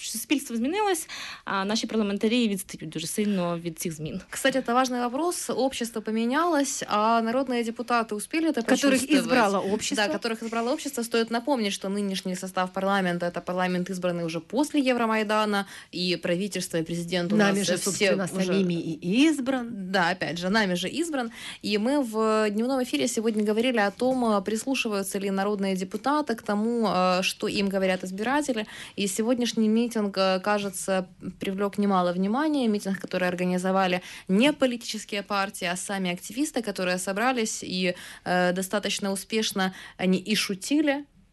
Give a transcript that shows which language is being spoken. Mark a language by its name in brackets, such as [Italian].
[Ukrainian] Суспільство змінилось, а наші парламентарі відстають дуже сильно від цих змін. Кстати, це важливий вопрос. Общество помінялось, а народні депутати успіли це [Russian] почувствовать? Которых избрало общество. Стоит напомнить, [Ukrainian] що нинішній состав парламенту – це парламент, избраний уже після Євромайдана, і правительство, і президент у нас все... [Russian] Самими и избран. Да, опять же, нами же избран. И мы в дневном эфире сегодня говорили о том, прислушиваются ли народные депутаты к тому, что им говорят избиратели. И сегодняшний митинг, кажется, привлек немало внимания. Митинг, который организовали не политические партии, а сами активисты, которые собрались и достаточно успешно они и шутили,